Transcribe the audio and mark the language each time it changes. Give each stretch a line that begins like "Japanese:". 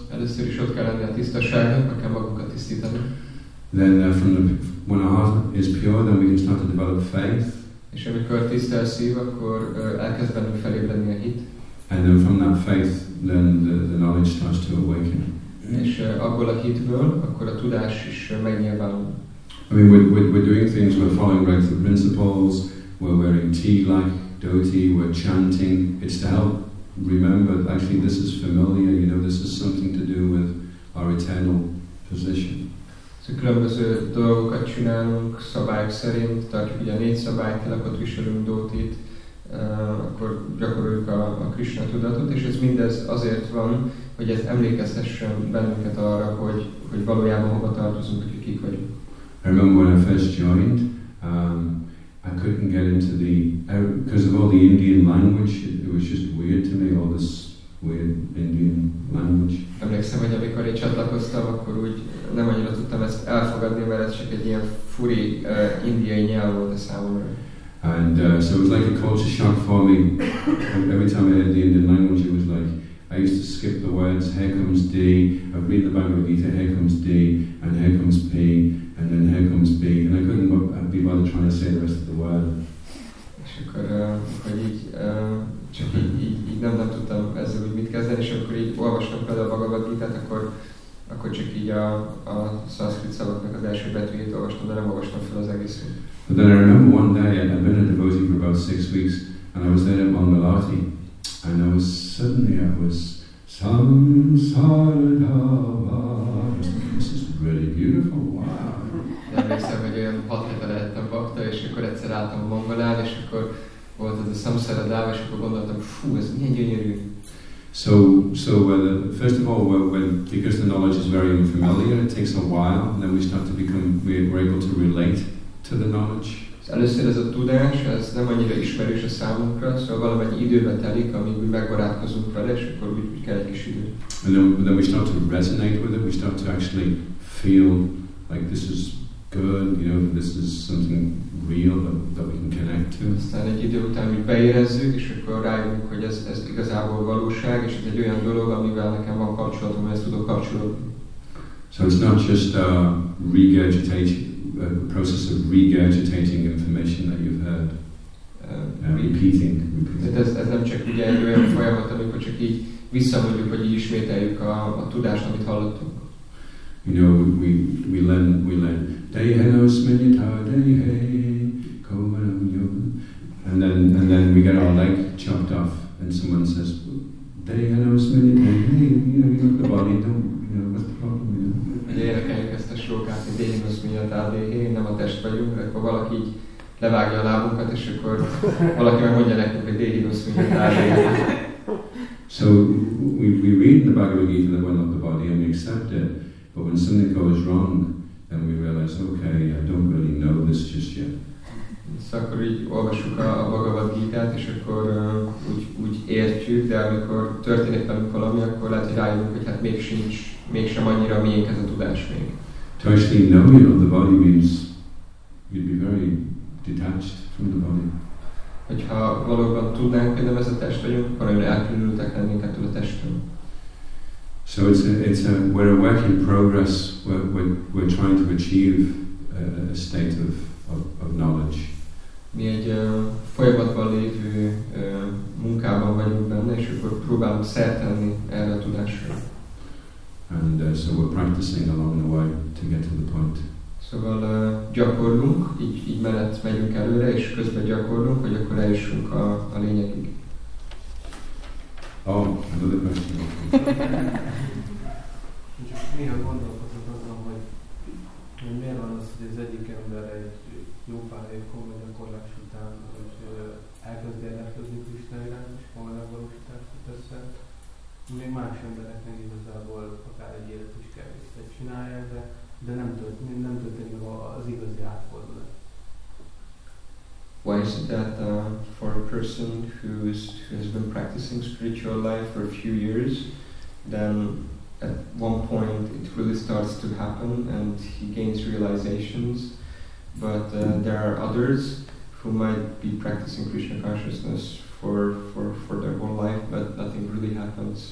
Hungarian: Először is ott kell lenni a tisztaságnak, meg kell magunkat tisztítani.
English: Then, when our heart is pure, then we can start to develop faith.
Hungarian: És amikor tiszta a szív, akkor elkezd bennünk felébredni a hit.
English: And then from that faith, then the knowledge starts to awaken.
Hungarian: És abból a hitből, akkor a tudás is megnyilvánul.
English: I mean, we're doing things, we're following regular principles, we're wearing tea like dhoti, we're chanting. It's to help remember, actually this is familiar, you know, this is something to do with our eternal position.
Hungarian: Szóval különböző dolgokat csinálunk szabályok szerint, tartjuk ugye a négy szabályt, lakot viselünk dótit, akkor gyakoroljuk a Krishna tudatot, és ez mindez azért van, hogy ez emlékeztessen bennünket arra, hogy valójában hova tartozunk, hogy kik vagyunk.
English: I remember when I first joined, I couldn't get into the, because of all the Indian language, it was just weird to me, all this weird Indian language.
Hungarian: Emlékszem, hogy amikor én csatlakoztam, akkor úgy nem annyira tudtam ezt elfogadni, mert ez csak egy ilyen furi indiai nyelv volt a számomra.
English: And so it was like a culture shock for me. Every time I heard the Indian language, it was like, I used to skip the words, here comes D, I'd read the Bhagavad Gita, here comes D, and here comes P, and then here comes B, and I couldn't be bothered trying to say the rest of the word.
Hungarian: És akkor így nem tudtam ezzel, hogy mit kezdeni, és akkor így olvastam fel a Bhagavad Gitát, akkor csak így a szanszkrit szavaknak az első betűjét olvastam, de nem olvastam fel az egészet.
English: But then I remember one day, I'd been a devotee for about 6 weeks, and I was there at Mangalati, and I was suddenly, I was samsara dhava. This is really beautiful, wow.
Hungarian: Emlékszem, hogy olyan 6 hete lehettem bakta, és akkor egyszer álltam a Mangalán, és akkor volt ez a samsara dhava, és akkor gondoltam, fú, ez milyen gyönyörű.
English: So, first of all, because the knowledge is very unfamiliar, it takes a while, and then we start to become, we're able to relate to the knowledge.
Hungarian: Először ez a tudás, ez nem annyira ismerős a számunkra, szóval valamennyi időbe telik, amíg úgy megbarátkozunk vele, és akkor úgy kell egy kis idő.
English: And then we start to resonate with it, we start to actually feel like this is good, you know, this is something real that we can connect to.
Hungarian: Aztán egy idő után mi beérezzük, és akkor rájövünk, hogy ez igazából valóság, és ez egy olyan dolog, amivel nekem van kapcsolatom, ezt tudok kapcsolódni.
English: So it's not just a regurgitating, a process of regurgitating information that you've heard. Repeating.
Hungarian: Ez nem csak ugye egy olyan folyamat, amikor csak így visszamondjuk, vagy így ismételjük a tudást, amit hallottunk.
English: You know, we learn
Sanskrit: Dehenno Smita Dehe Komanam Yum,
English: and then we get our leg chopped off and someone says
Sanskrit: Dehenno Smita Dehe,
English: you know, the body don't, you know, what's the problem, you know?
Hungarian: Ugye érekeljük ezt a sokát, hogy
Sanskrit: Dehenno Smita Dehe,
Hungarian: nem a test vagyunk, akkor valaki így levágja a lábunkat, és akkor valaki megmondja nekünk, hogy Dehenno Smita Dehe.
English: So we read the Bhagavad Gita, the one of the body, and we accept it. But when something goes wrong, then we realize, okay, I don't really know this just yet.
Hungarian: So akkor így olvassuk a Bhagavad Gita-t, és akkor úgy értjük, de amikor történik velünk valami, akkor lehet, hogy rájövünk, hogy hát mégsem annyira miénk ez a tudás még.
English: To actually know you of the body means you'd be very detached from the body.
Hungarian: Hogyha valóban tudnánk, hogy nem ez a test vagyunk, akkor nagyon elkülönültek lennénk ettől a testről.
English: So we're a work in progress. We're trying to achieve a state of knowledge.
Hungarian: Mi egy folyamatban lévő munkában vagyunk benne, és akkor próbálunk szertenni erre a tudásra.
English: And so we're practicing along the way to get to the point.
Hungarian: Szóval gyakorlunk, így mellett megyünk előre, és közben gyakorlunk, hogy akkor eljussunk a lényegig.
English: Oh, another question.
Hungarian: Csak néha gondolkozok azon, hogy miért van az, hogy az egyik ember egy jó pár év komoly gyakorlás után, hogy elkezd érdeklődni Krisna iránt, és komolyan valósítást tett össze. Még más embereknek igazából akár egy élet is kevésbé csinálja, de nem történik az igazi átfordulat.
English: Why is it that for a person who has been practicing spiritual life for a few years, then at one point it really starts to happen and he gains realizations, but there are others who might be practicing Krishna consciousness for their whole life, but nothing really happens.